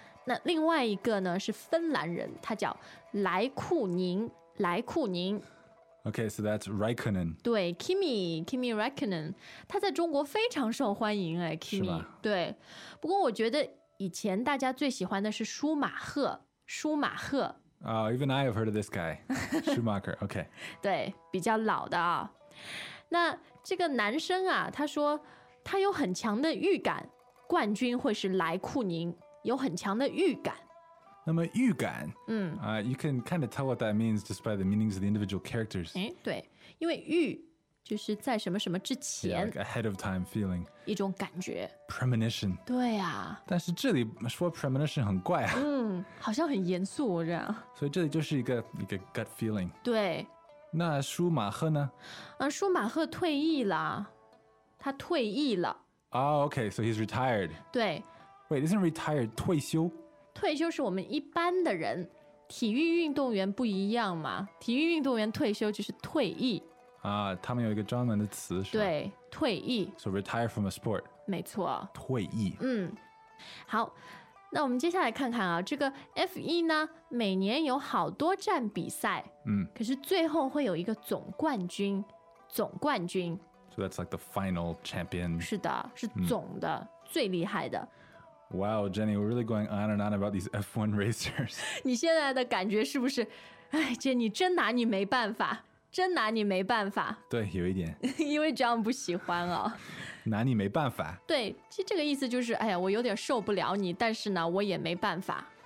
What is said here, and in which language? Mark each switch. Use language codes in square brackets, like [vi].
[zh] 那另外一个呢是芬兰人，他叫莱库宁，莱库宁。 [en] Okay, so that's Raikkonen. [zh] 对 ，Kimi Raikkonen， 他在中国非常受欢迎哎 ，Kimi。对，不过我觉得以前大家最喜欢的是舒马赫，舒马赫。 [en] Even I have heard of this guy, Schumacher. Okay. [zh] 对，比较老的啊。那这个男生啊，他说。他有很强的预感，冠军会是莱库宁，有很强的预感。 [en] 那么预感，you can kind of tell what that means just by the meanings of the individual characters. [zh] 对，因为预就是在什么什么之前 [en] yeah, like ahead of time feeling. [zh] 一种感觉。 [en] Premonition. [zh] 对啊。但是这里说 premonition 很怪啊。好像很严肃这样。所以这里就是一个gut feeling. 对。那舒马赫呢？舒马赫退役了，他退役了。 [en] Oh, okay, so he's retired. [zh] 对。 [en] Wait, isn't retired 退休？ [zh] 退休是我们一般的人，体育运动员不一样嘛。体育运动员退休就是退役。啊，他们有一个专门的词是吧？对，退役。 [en] So retire from a sport. [zh] 没错。退役。嗯，好。那我们接下来看看啊，这个 F1 呢，每年有好多站比赛，嗯，可是最后会有一个总冠军，总冠军。 [en] So that's like the final champion. [zh] 是的，是总的，最厉害的。 [en] Wow, Jenny, we're really going on and on about these F1 racers. [zh] 你现在的感觉是不是，哎 ，Jenny 真拿你没办法，真拿你没办法。对，有一点。因为这样不喜欢啊、哦。拿你没办法。对，其实这个意思就是，哎呀，我有点受不了你，但是呢，我也没办法。